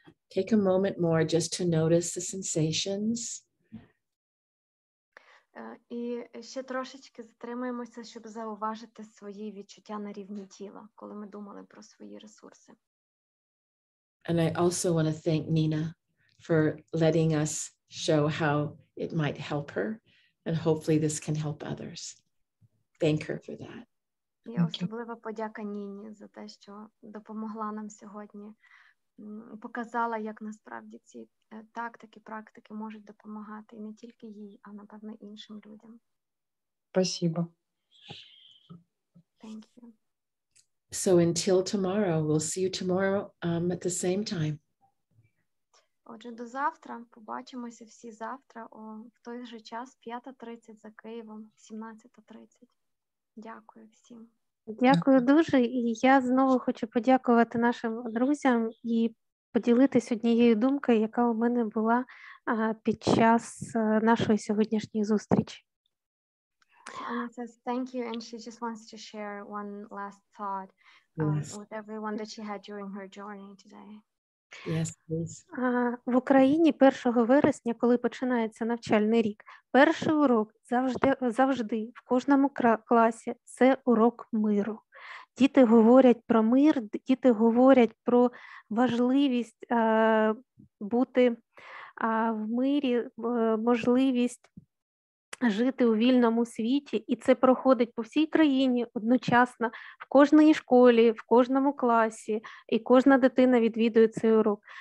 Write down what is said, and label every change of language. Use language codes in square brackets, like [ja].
[en] Take a moment more just to notice the sensations. [uk] І ще трошечки затримаємося, щоб зауважити свої відчуття на рівні тіла, коли ми думали про свої ресурси. [en] And I also want to thank Nina for letting us show how it might help her, and hopefully this can help others. Thank her for that. [uk] І особлива подяка Ніні за те, що допомогла нам сьогодні. Показала, як насправді ці тактики, практики можуть допомагати і не тільки їй, а, напевно, іншим людям. [ru] Спасибо. [en] Thank you. So until tomorrow, we'll see you tomorrow at the same time. [uk] Отже, до завтра. Побачимося всі завтра в той же час, 5:30 за Києвом, 17:30. Дякую всім. Дякую дуже. І я знову хочу подякувати нашим друзям і поділитись однією думкою, яка у мене була під час нашої сьогоднішньої зустрічі. [en] Anna says thank you, and she just wants to share one last thought with everyone that she had during her journey today. Yes, please. [uk] В Україні 1 вересня, коли починається навчальний рік, перший урок завжди в кожному класі – це урок миру. Діти говорять про мир, діти говорять про важливість бути в мирі, можливість жити у вільному світі, і це проходить по всій країні одночасно, в кожній школі, в кожному класі, і кожна дитина відвідує цей урок.